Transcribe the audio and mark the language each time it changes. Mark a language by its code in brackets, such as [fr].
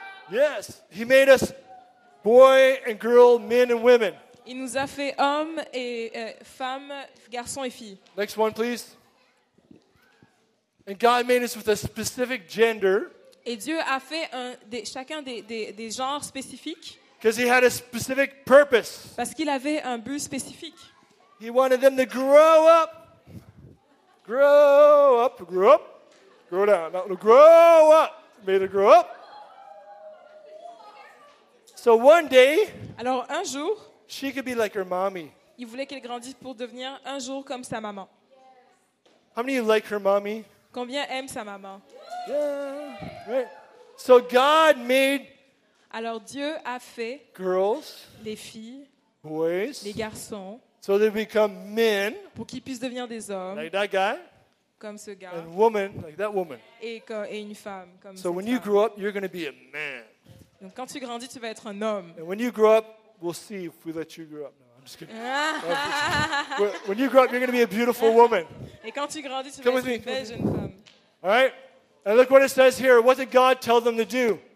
[en] Yes, he made us boy and girl, men and women. [fr] Il nous a fait hommes et femmes, garçons et filles. [en] Next one, please. And God made us with a specific gender. [fr] Et Dieu a fait chacun des genres spécifiques. [en] Because he had a specific purpose. [fr] Parce qu'il avait un but spécifique. [en] He wanted them to grow up. Grow up, grow up. Grow down. No, grow up. Made her grow up. So one day, [fr] alors un jour, [en] she could be like her mommy. [fr] Il voulait qu'elle grandisse pour devenir un jour comme sa maman. [en] How many of you like her mommy? [fr] Combien aime sa maman? [en] Yeah, right. So God made. [fr] Alors Dieu a fait. [en] Girls. [fr] Les filles. [en] Boys. [fr] Les garçons. [en] So they become men. [fr] Pour qu'ils puissent devenir des hommes. [en] Like that guy. [fr] Comme ce gars. [en] And woman, like that woman. [fr] Et une femme comme cette femme. [en] So when you grow up, you're going to be a man. [fr] Donc quand tu grandis, tu vas être un homme. [en] And when you grow up, we'll see if we let you grow up. No, I'm just kidding. When you grow up, you're going to be a beautiful woman. [fr] Et quand tu grandis, tu vas être une belle jeune femme. [en] All right? And look what it says here. What did God tell them to do?